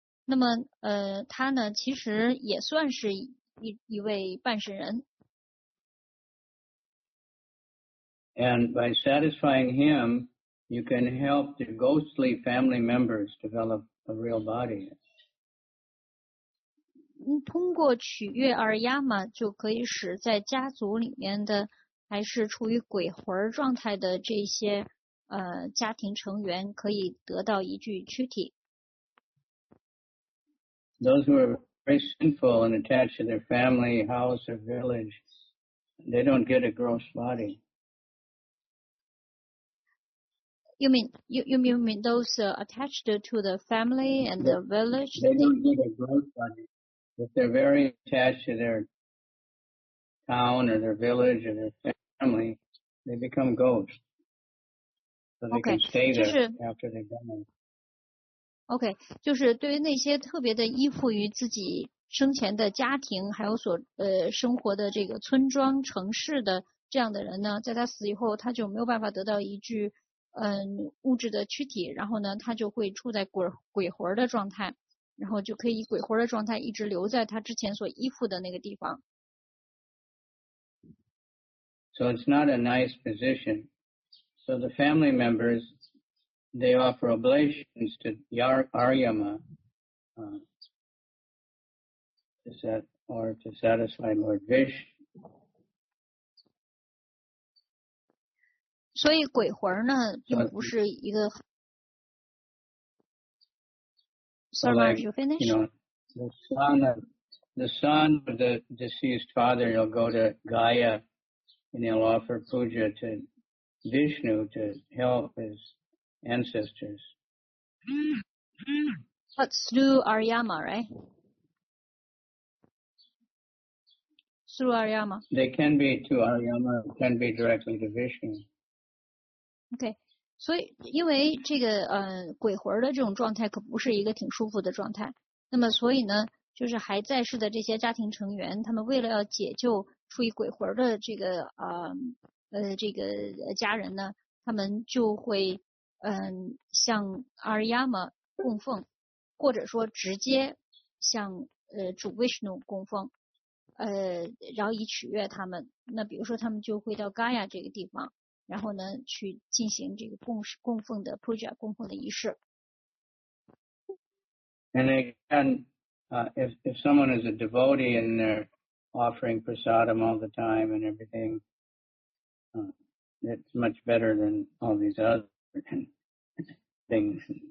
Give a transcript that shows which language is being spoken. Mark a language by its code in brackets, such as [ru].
[zh] 那么，他呢，其实也算是一位办事人。 [en] And by satisfying him, you can help the ghostly family members develop a real body. [zh] 通过取悦而压嘛，就可以使在家族里面的还是处于鬼魂状态的这些家庭成员可以得到一具躯体。 [en] Those who are very sinful and attached to their family, house, or village, they don't get a gross body. You mean those attached to the family and the village? They don't get a gross body. If they're very attached to their town or their village or their family, they become ghosts. So they okay, can stay there [zh] 就是, [en] after they die. [zh] Okay, 就是对于那些特别的依附于自己生前的家庭还有所生活的这个村庄城市的这样的人呢，在他死以后他就没有办法得到一具物质的躯体，然后呢他就会处在鬼魂的状态，然后就可以鬼魂的状态一直留在他之前所依附的那个地方。 [en] So it's not a nice position. So the family members, they offer oblations to Aryama, to satisfy Lord Vishnu. [zh] 所以鬼魂呢并不是一个 [en] Sir Mark, you finish? You know, the son of the deceased father, he'll go to Gaia and he'll offer puja to Vishnu to help his ancestors. But through Aryama, right? Through Aryama. They can be to Aryama, can be directly to Vishnu. [zh] OK, 所以因为这个鬼魂的这种状态可不是一个挺舒服的状态。那么所以呢就是还在世的这些家庭成员他们为了要解救处于鬼魂的这个这个家人呢他们就会向阿里亚玛供奉或者说直接向主 Vishnu 供奉然后以取悦他们。那比如说他们就会到 Gaia 这个地方。然后呢，去进行这个供奉的 puja 供奉的仪式。 [en] And again, if someone is a devotee and they're offering prasadam all the time and everything, it's much better than all these other things.